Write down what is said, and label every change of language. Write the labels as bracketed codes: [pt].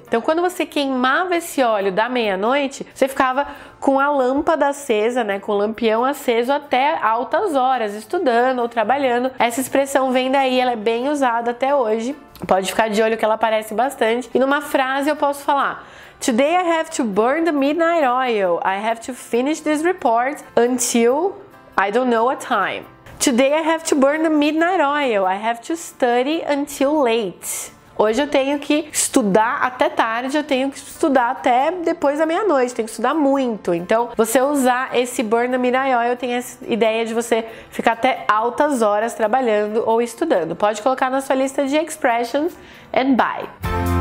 [pt] Então quando você queimava esse óleo da meia-noite, você ficava com a lâmpada acesa, né, com o lampião aceso até altas horas, estudando ou trabalhando. Essa expressão vem daí, ela é bem usada até hoje. Pode ficar de olho que ela aparece bastante. E numa frase eu posso falar: [en] Today I have to burn the midnight oil. I have to finish this report until I don't know what time. Today I have to burn the midnight oil. I have to study until late. [pt] Hoje eu tenho que estudar até tarde, eu tenho que estudar até depois da meia-noite, tenho que estudar muito. Então, você usar esse burn the midnight oil, eu tenho essa ideia de você ficar até altas horas trabalhando ou estudando. Pode colocar na sua lista de [en] expressions and bye.